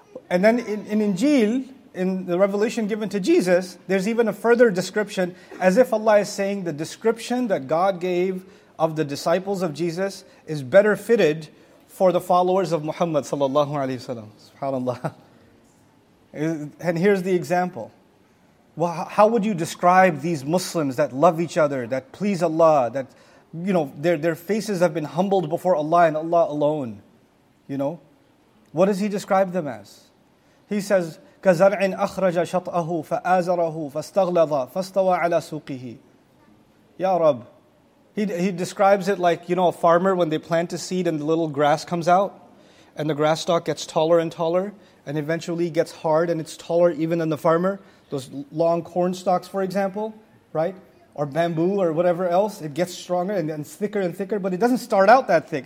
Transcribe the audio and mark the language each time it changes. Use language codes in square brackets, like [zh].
[en] And then in Injil, in the revelation given to Jesus, there's even a further description, as if Allah is saying the description that God gave of the disciples of Jesus is better fitted for the followers of Muhammad sallallahu alayhi wa sallam. SubhanAllah. And here's the example. Well, how would you describe these Muslims that love each other, that please Allah, that, you know, their faces have been humbled before Allah and Allah alone? You know, what does he describe them as? He says, [ar] كَزَرْعٍ أَخْرَجَ شَطْأَهُ فَآزَرَهُ فَاسْتَغْلَظَ فَاسْتَوَى عَلَى سُوقِهِ. Ya Rab. [en] He describes it like, you know, a farmer when they plant a seed and the little grass comes out, and the grass stalk gets taller and taller, and eventually gets hard and it's taller even than the farmer. Those long corn stalks, for example, right? Or bamboo or whatever else, it gets stronger and thicker and thicker, but it doesn't start out that thick.